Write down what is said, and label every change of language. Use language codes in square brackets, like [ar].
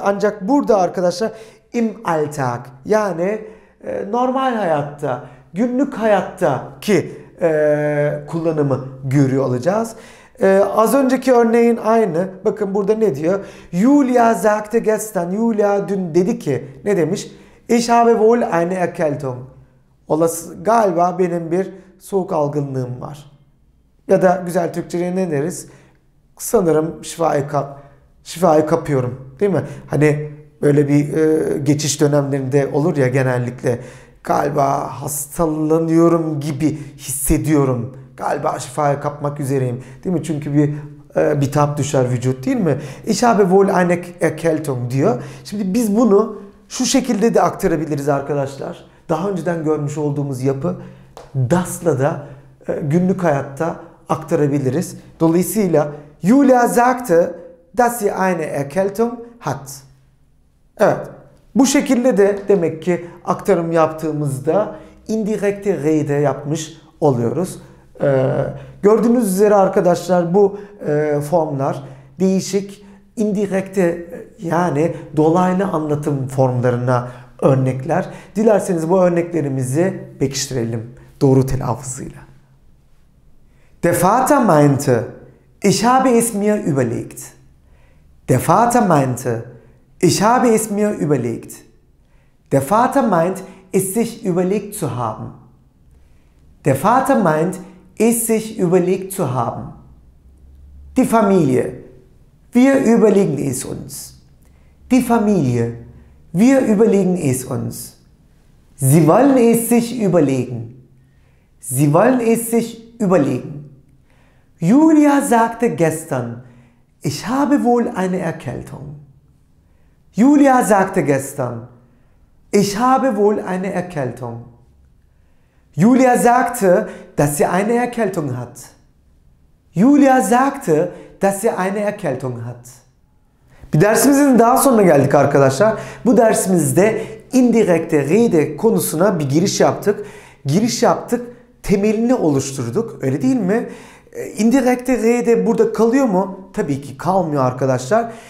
[tr] Ancak burada arkadaşlar [de] im Alltag, [tr] yani normal hayatta, günlük hayatta ki kullanımı görüyor olacağız. Az önceki örneğin aynı. Bakın burada ne diyor? [de] Julia sagte gestern. [tr] Julia dün dedi ki, ne demiş? [de] Ich habe wohl eine Erkältung. [tr] Olası, galiba benim bir soğuk algınlığım var. Ya da güzel Türkçe'ye ne deriz? Sanırım şifayı kapıyorum, değil mi? Hani böyle bir geçiş dönemlerinde olur ya genellikle, galiba hastalanıyorum gibi hissediyorum, galiba şifayı kapmak üzereyim, değil mi? Çünkü bir bitap düşer vücut, değil mi? [de] Ich habe wohl eine Erkältung [tr] diyor. Şimdi biz bunu şu şekilde de aktarabiliriz arkadaşlar. Daha önceden görmüş olduğumuz yapı das'la da günlük hayatta aktarabiliriz. Dolayısıyla [de] Julia sagte, dass sie eine Erkältung hat. [tr] Evet. Bu şekilde de demek ki aktarım yaptığımızda indirekte rede yapmış oluyoruz. Gördüğünüz üzere arkadaşlar bu formlar değişik indirekte, yani dolaylı anlatım formlarına örnekler. Dilerseniz bu örneklerimizi pekiştirelim doğru telaffuzuyla. [de] Der Vater meinte, ich habe es mir überlegt. Der Vater meinte, ich habe es mir überlegt. Der Vater meint, es sich überlegt zu haben. Der Vater meint, es sich überlegt zu haben. Die Familie, wir überlegen es uns. Die Familie, wir überlegen es uns. Sie wollen es sich überlegen. Sie wollen es sich überlegen. Julia sagte gestern, ich habe wohl eine Erkältung. Julia sagte gestern, ich habe wohl eine Erkältung. Julia sagte, dass sie eine Erkältung hat. Julia sagte, dass sie eine Erkältung hat. [tr] Bir dersimizin daha sonuna geldik arkadaşlar. Bu dersimizde indirekte rede konusuna bir giriş yaptık. Giriş yaptık, temelini oluşturduk. Öyle değil mi? Indirekte rede burada kalıyor mu? Tabii ki kalmıyor arkadaşlar.